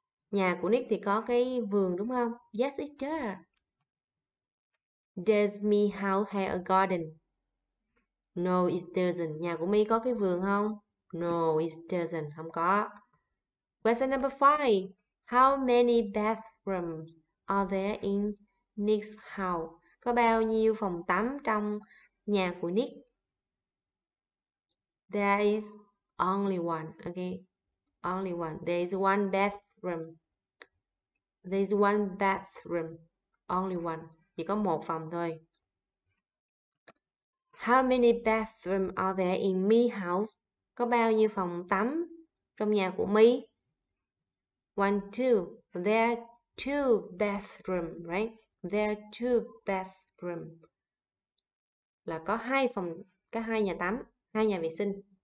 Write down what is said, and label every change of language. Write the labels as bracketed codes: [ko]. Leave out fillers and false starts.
[vi] Nhà của Nick thì có cái vườn đúng không? [en] Yes, it does. Does my house have a garden? No, it doesn't. [vi] Nhà của My có cái vườn không? [en] No, it doesn't. [vi] Không có. [en] Question number 5. How many bathrooms are there in Nick's house? [vi] Có bao nhiêu phòng tắm trong nhà của Nick? [en] There is only one. Okay. Only one. There is one bathroom. There is one bathroom. Only one. [vi] Chỉ có một phòng thôi. [en] How many bathrooms are there in my house? [vi] Có bao nhiêu phòng tắm trong nhà của My? [en] One, two. There are two bathrooms, right? There are two bathrooms. [vi] Là có hai phòng, có hai nhà tắm, hai nhà vệ sinh.